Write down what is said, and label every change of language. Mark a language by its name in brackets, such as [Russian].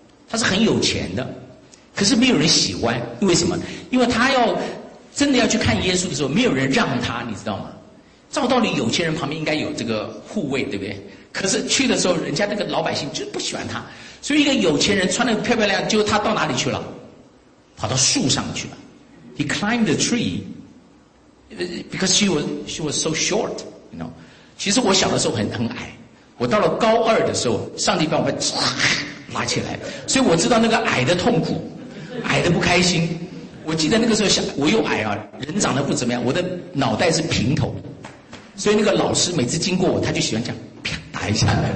[Chinese] 他是很有钱的，可是没有人喜欢，因为什么？因为他要真的要去看耶稣的时候，没有人让他，你知道吗？照道理，有钱人旁边应该有这个护卫，对不对？可是去的时候，人家那个老百姓就不喜欢他，所以一个有钱人穿得漂漂亮，结果他到哪里去了？跑到树上去了。 [English] He climbed the tree because she was so short, you know. [Chinese] 其实我小的时候很矮，我到了高二的时候，上帝把我拉起来，所以我知道那个矮的痛苦，矮的不开心。我记得那个时候想，我又矮啊，人长得不怎么样，我的脑袋是平头，所以那个老师每次经过我，他就喜欢这样啪打一下。